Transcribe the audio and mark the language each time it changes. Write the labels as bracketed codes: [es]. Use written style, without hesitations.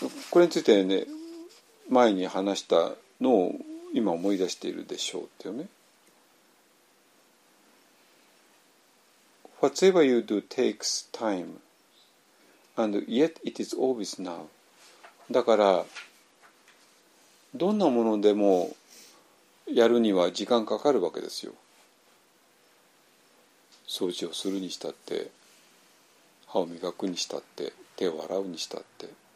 [ja] これについてね、前に話したのを今思い出しているでしょうっていうね。 [en] Whatever you do takes time, and yet it is always now. [ja] だから、どんなものでもやるには時間かかるわけですよ。掃除をするにしたって、歯を磨くにしたって、手を洗うにしたって。